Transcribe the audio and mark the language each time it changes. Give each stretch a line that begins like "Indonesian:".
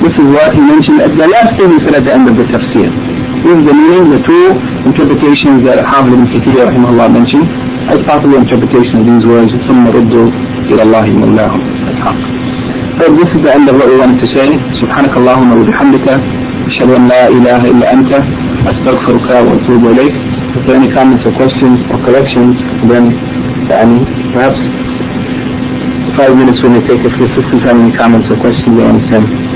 English: This is what he mentioned at the last thing he said at the end of the tafsir. This is the meaning, the two interpretations that Hafiz ibn Kathir rahimahullah mentioned, as possible interpretation of these words,
Arabic: ثُمَّ رُدُّوا إِلَى اللَّهِ مَوْلَاهُمْ.
English: So this is the end of what we wanted to say. Subhanakallahumma wa bihamdika.
Arabic: أشهد أن لا إله إلا أنت أستغفرك وأتوب إليك.
English: If there are any comments or questions or corrections, then perhaps 5 minutes we may take if the assistants have any comments or questions they want to send.